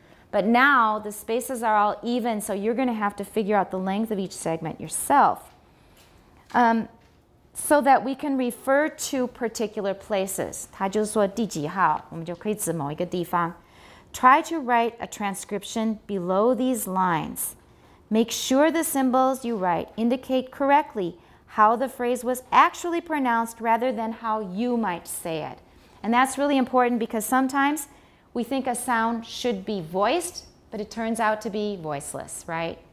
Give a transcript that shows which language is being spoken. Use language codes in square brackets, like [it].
[en] But now the spaces are all even, so you're going to have to figure out the length of each segment yourself. So that we can refer to particular places. [zh] 它就是说第几号，我们就可以指某一个地方。 [en] Try to write a transcription below these lines. Make sure the symbols you write indicate correctly how the phrase was actually pronounced rather than how you might say it. And that's really important because sometimes we think a sound should be voiced, but it turns out to be voiceless, right?